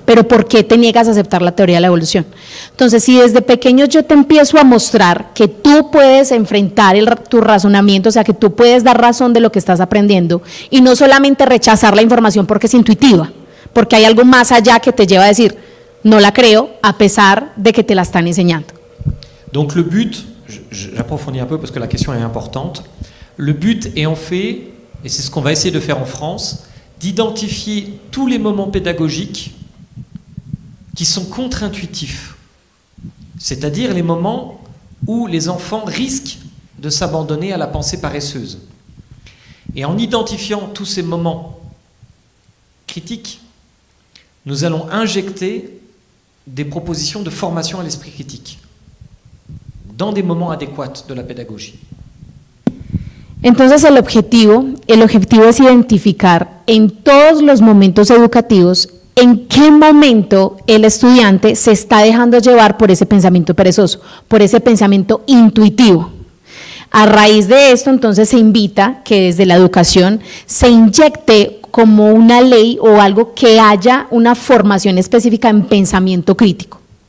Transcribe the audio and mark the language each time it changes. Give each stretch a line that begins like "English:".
Spanish: ¿Pero por qué te niegas a aceptar la teoría de la evolución? Entonces, si desde pequeños yo te empiezo a mostrar que tú puedes enfrentar tu razonamiento, o sea, que tú puedes dar razón de lo que estás aprendiendo, y no solamente rechazar la información porque es intuitiva, porque hay algo más allá que te lleva a decir, no la creo, a pesar de que te la están enseñando.
French: Donc, le but, j'approfondis un peu parce que la question est importante. Le but est en fait, et c'est ce qu'on va essayer de faire en France, d'identifier tous les moments pédagogiques qui sont contre-intuitifs, c'est-à-dire les moments où les enfants risquent de s'abandonner à la pensée paresseuse. Et en identifiant tous ces moments critiques, nous allons injecter des propositions de formation à l'esprit critique dans des moments adéquats de la pédagogie.
Spanish: Entonces el objetivo es identificar en todos los momentos educativos en qué momento el estudiante se está dejando llevar por ese pensamiento perezoso, por ese pensamiento intuitivo. A raíz de esto, entonces se invita que desde la educación se inyecte como una ley o algo que haya una formación específica en pensamiento crítico.